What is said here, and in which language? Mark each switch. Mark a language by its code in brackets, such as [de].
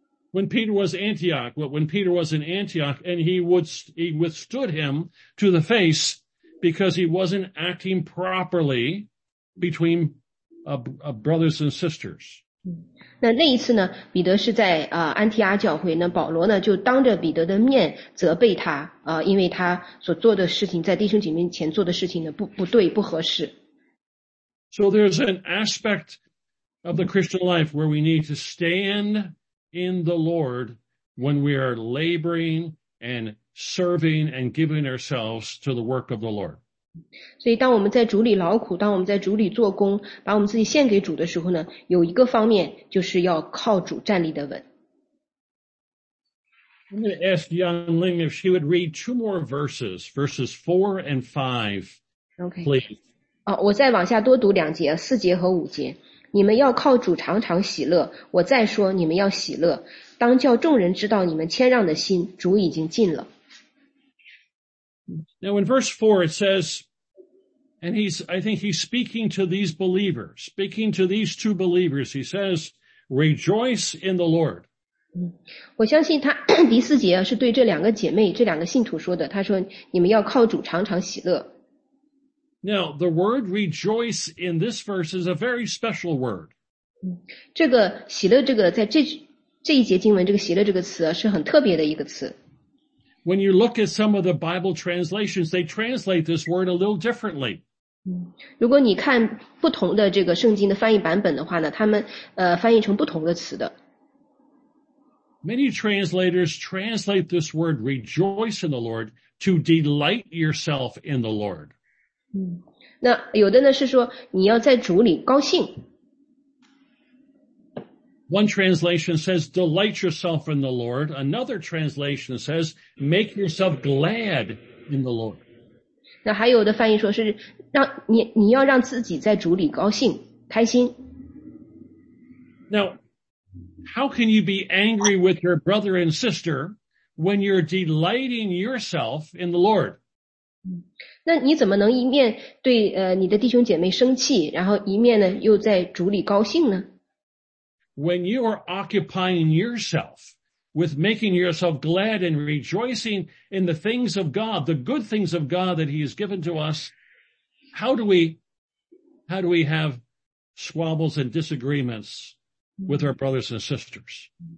[en] When Peter was in Antioch, and he withstood him to the face because he wasn't acting properly between brothers and sisters. [zh] 那一次呢，彼得是在安提阿教会，那保罗呢就当着彼得的面责备他，因为他所做的事情，在弟兄姐妹前做的事情呢不对，不合适。 [en] So there's an aspect of the Christian life where we need to stand in the Lord when we are laboring and serving and giving ourselves to the work of the Lord. [zh] 所以当我们在主里劳苦，当我们在主里做工，把我们自己献给主的时候呢，有一个方面就是要靠主站立得稳。 [en] I'm going to ask Yan Ling if she would read two more verses, verses 4 and 5, please. Okay. [zh] 我再往下多读两节，四节和五节。你们要靠主常常喜乐，我再说你们要喜乐，当叫众人知道你们谦让的心，主已经近了。 [en] Now in verse 4 it says, and I think he's speaking to these believers, speaking to these two believers, he says, rejoice in the Lord. [zh] 我相信他第四节是对这两个姐妹，这两个信徒说的，他说你们要靠主常常喜乐。 [en] Now, the word rejoice in this verse is a very special word. [zh] 这个喜乐这个在这一节经文这个喜乐这个词是很特别的一个词。 [en] When you look at some of the Bible translations, they translate this word a little differently. [zh] 如果你看不同的这个圣经的翻译版本的话呢，他们翻译成不同的词的。 [en] Many translators translate this word rejoice in the Lord to delight yourself in the Lord. [zh] 那有的呢是说你要在主里高兴。 [en] One translation says, delight yourself in the Lord. Another translation says, make yourself glad in the Lord. [zh] 那还有的翻译说是让 你要让自己在主里高兴，开心。 [en] Now, how can you be angry with your brother and sister when you're delighting yourself in the Lord? [zh] 那你怎么能一面对你的弟兄姐妹生气，然后一面呢又在主里高兴呢？ [en] When you are occupying yourself with making yourself glad and rejoicing in the things of God, the good things of God that He has given to us, how do we have squabbles and disagreements with our brothers and sisters?